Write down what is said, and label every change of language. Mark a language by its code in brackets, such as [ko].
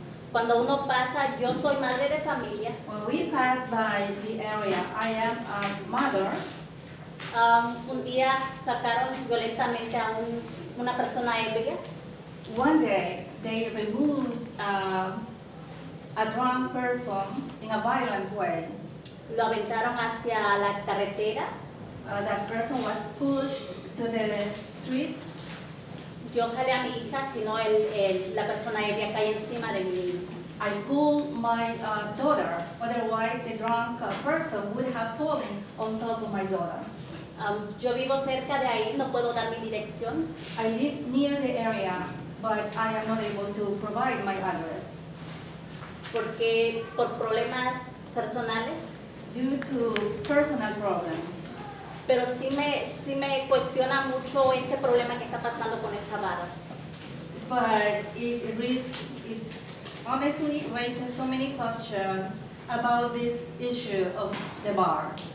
[es] Cuando uno pasa, yo soy madre de familia. [en] When we pass by the area, I am a mother. [es] Un día sacaron violentamente a una persona ebria. [en] One day, they removed a drunk person in a violent way. [es] Lo aventaron hacia la carretera. [en] that person was pushed to the street. [es] Yo jale a mi hija, sino la persona ebria cae encima de mi niño. [en] I pulled my daughter, otherwise the drunk person would have fallen on top of my daughter. [es] Yo vivo cerca de ahí, no puedo dar mi dirección. [en] I live near the area, but I am not able to provide my address. [es] Porque por problemas personales. [en] Due to personal problems. [es] Pero sí me cuestiona mucho ese problema que está pasando con esta vara. [en] But it honestly raises so many questions about this issue of the bar.